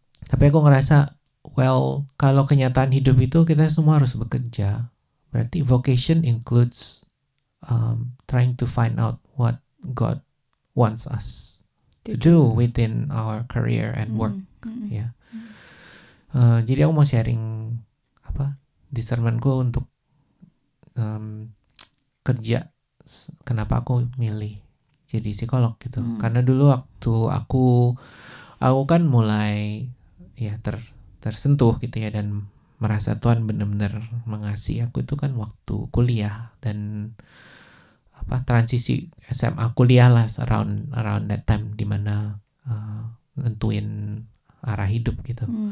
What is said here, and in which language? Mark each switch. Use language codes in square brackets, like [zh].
[id] Tapi aku ngerasa well, kalau kenyataan hidup itu kita semua harus bekerja. Berarti [en] vocation includes trying to find out what God wants us to do within our career and work. [id] Ya. Jadi aku mau sharing apa discernmentku untuk kerja, kenapa aku milih jadi psikolog gitu. Karena dulu waktu aku kan mulai ya tersentuh gitu ya, dan merasa Tuhan benar-benar mengasihi aku itu kan waktu kuliah dan apa transisi SMA kuliah lah, [en] around that time [id] di mana nentuin arah hidup gitu.